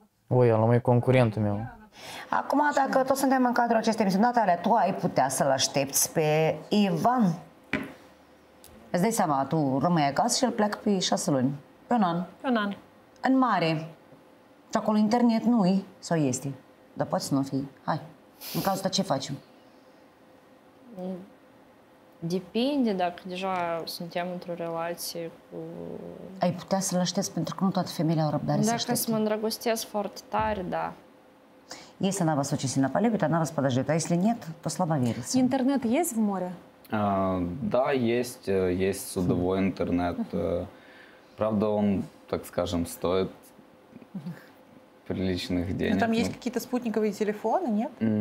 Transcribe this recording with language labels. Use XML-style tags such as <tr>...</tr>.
<ru>Ой, она мой конкурент, мил.</ru> <ro>Acum, dacă toți suntem în cadrul acestei emisiuni, Natalia, tu ai putea să-l aștepți pe Ivan? Îți dai seama, tu rămâi acasă și el pleacă pe 6 luni. Pe un an. Pe un an. În mare. Și acolo internet nu-i sau este. Dar poate să nu fie. Hai. În cazul ăsta ce facem? Depinde dacă deja suntem într-o relație cu... Ai putea să-l aștepți? Pentru că nu toate femeile au răbdare să aștepți. Dacă mă îndrăgostesc foarte tare, da.</ro> <ru>Если она вас очень сильно полюбит, она вас подождет. А если нет, то слабо верится. Интернет есть в море? Да, есть. Есть судовой интернет. Правда, он, так скажем, стоит приличных денег. Но там есть какие-то спутниковые телефоны, нет?</ru>